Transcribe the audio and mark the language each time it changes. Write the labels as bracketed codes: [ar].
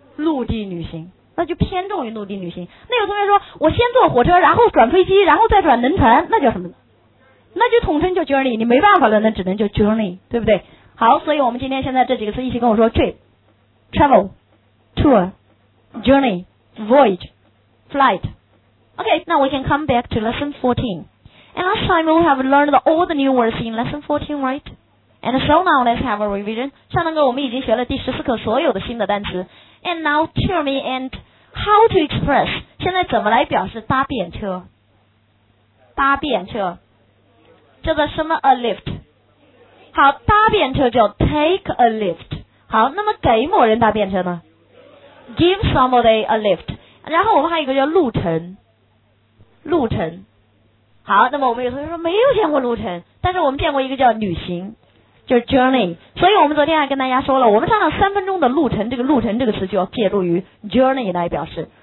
[zh] 陆地旅行，那就偏重于陆地旅行。那有同学说，我先坐火车，然后转飞机，然后再转轮船，那叫什么？那就统称叫 journey， 你没办法了，那只能叫 journey， 对不对？好，所以我们今天现在这几个词一起跟我说 trip、travel、tour、journey、voyage、flight。 [en] Okay, now we can come back to lesson 14. And last time we have learned all the new words in lesson 14, right? And so now let's have a revision. [zh] 上堂课我们已经学了第十四课所有的新的单词。 [en] And now tell me and how to express. [zh] 现在怎么来表示搭便车？搭便车。叫做什么 [en] a lift? [zh] 好，搭便车叫 [en] take a lift. [zh] 好，那么给某人搭便车呢？ [en] Give somebody a lift. [zh] 然后我们还有一个叫路程。路程，好，那么我们有同学说没有见过路程，但是我们见过一个叫旅行，就是 journey。所以我们昨天还跟大家说了，我们上了三分钟的路程，这个路程这个词就要借助于 journey 来表示。